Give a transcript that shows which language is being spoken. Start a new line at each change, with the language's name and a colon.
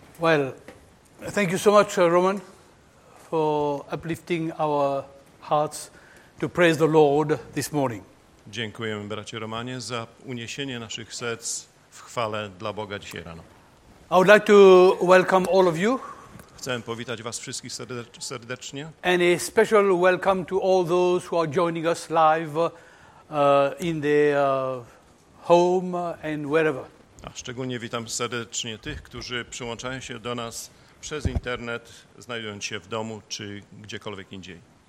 English: Well, thank you so much, Roman, for uplifting our hearts to praise the Lord this morning.
Polish: Dziękujemy, bracie Romanie, za uniesienie naszych serc w chwale dla Boga dzisiaj rano.
English: I would like to welcome all of you.
Polish: Chcę powitać was wszystkich serdecznie.
English: And a special welcome to all those who are joining us live in their home and wherever.
Polish: A szczególnie witam serdecznie tych, którzy przyłączają się do nas przez internet, znajdując się w domu czy gdziekolwiek indziej.